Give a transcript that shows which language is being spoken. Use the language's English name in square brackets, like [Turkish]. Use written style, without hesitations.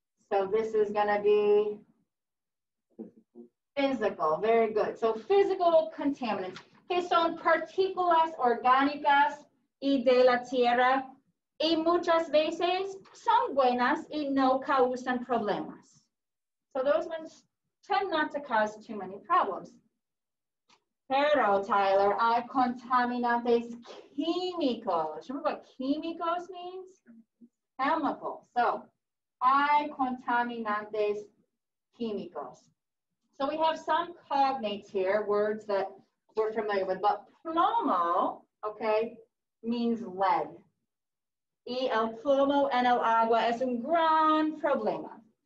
[English] So this is gonna be physical, very good. So physical contaminants, [Spanish] que son partículas orgánicas y de la tierra, y muchas veces son buenas y no causan problemas. [English] So those ones tend not to cause too many problems. [Spanish] Pero, Tyler, hay contaminantes químicos. [English] Remember what químicos means? Chemical. [Spanish] So, hay contaminantes químicos. [English] So we have some cognates here, words that we're familiar with, but plomo, okay, means lead. [Spanish] Y el plomo en el agua es un gran problema.